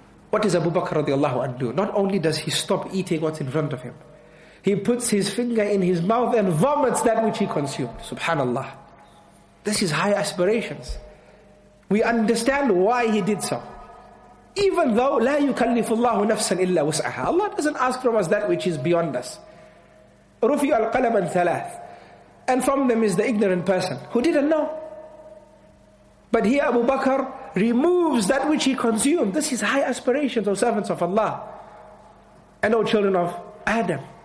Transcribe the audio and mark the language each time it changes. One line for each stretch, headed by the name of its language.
English: What does Abu Bakr radiallahu anhu do? Not only does he stop eating what's in front of him, he puts his finger in his mouth and vomits that which he consumed. Subhanallah. This is high aspirations. We understand why he did so. Even though,
Arabic: لا يكلف الله نفسا إلا وسعها.
English: Allah doesn't ask from us that which is beyond us.
Arabic: رفيع القلم ثلاث.
English: And from them is the ignorant person who didn't know. But here Abu Bakr removes that which he consumed. This is high aspirations, O servants of Allah and O children of Adam.